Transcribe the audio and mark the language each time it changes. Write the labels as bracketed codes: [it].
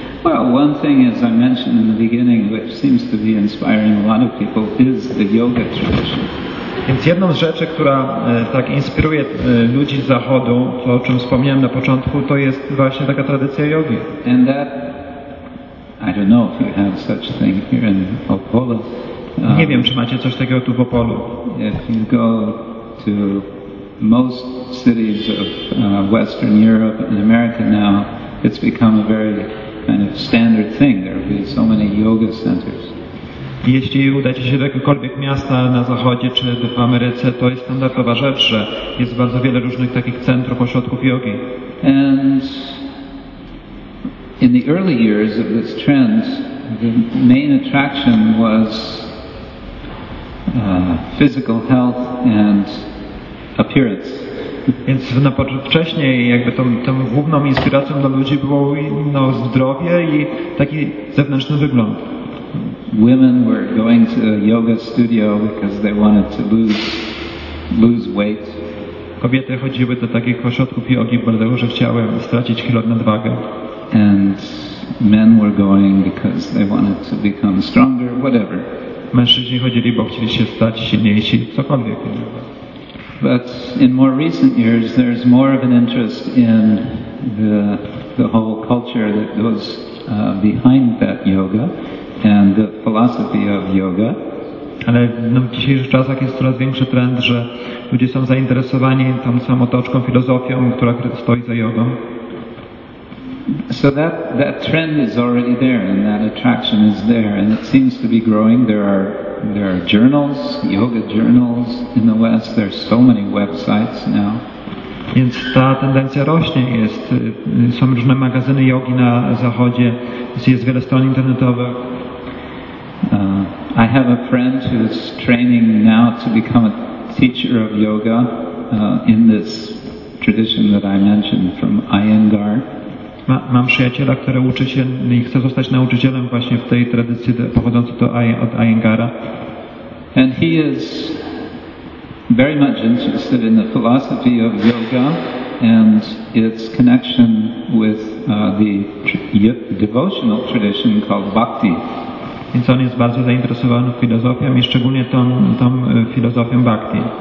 [en] Well, one thing, as I mentioned in the beginning, which seems to be inspiring a lot of people, is the yoga tradition. [pl] Więc jedną z rzeczy, która tak inspiruje ludzi z Zachodu, to o czym wspomniałem na początku, to jest właśnie taka tradycja jogi. [en] And that, I don't know if you have such a thing here in Opole. [pl] Nie wiem, czy macie coś takiego tu w Opolu. [en] If you go to most cities of Western Europe and America now, it's become a very kind of standard thing. There will be so many yoga centers. [pl] Jeśli udacie się do jakiegokolwiek miasta na Zachodzie czy w Ameryce, to jest standardowa rzecz, że jest bardzo wiele różnych takich centrów, ośrodków jogi. [en] And in the early years of this trend, the main attraction was physical health and appearance. [pl] Więc wcześniej jakby tą główną inspiracją dla ludzi było zdrowie i taki zewnętrzny wygląd. [en] Women were going to a yoga studio because they wanted to lose lose weight. [pl] Kobiety chodziły do takich ośrodków jogi, dlatego że chciały stracić kilo nadwagę. [en] And men were going because they wanted to become stronger, whatever. [pl] Mężczyźni chodzili, bo chcieli się stać silniejsi, cokolwiek. [en] But in more recent years, there's more of an interest in the whole culture that goes behind that yoga and the philosophy of yoga. [pl] Ale no, w dzisiejszych czasach jest coraz większy trend, że ludzie są zainteresowani tą samą otoczką, filozofią, która stoi za jogą. [en] So that trend is already there, and that attraction is there, and it seems to be growing. There are journals, yoga journals in the West. There are so many websites now. [pl] Więc ta tendencja rośnie. Są różne magazyny jogi na Zachodzie. Jest wiele stron internetowych. [en] I have a friend who is training now to become a teacher of yoga in this tradition that I mentioned from Iyengar. [pl] Mam przyjaciela, który uczy się i chce zostać nauczycielem właśnie w tej tradycji pochodzącej od Iyengara. [en] And he is very much interested in the philosophy of yoga and its connection with the devotional tradition called bhakti. [pl] Więc on jest bardzo zainteresowany filozofią i szczególnie tą filozofią bhakti.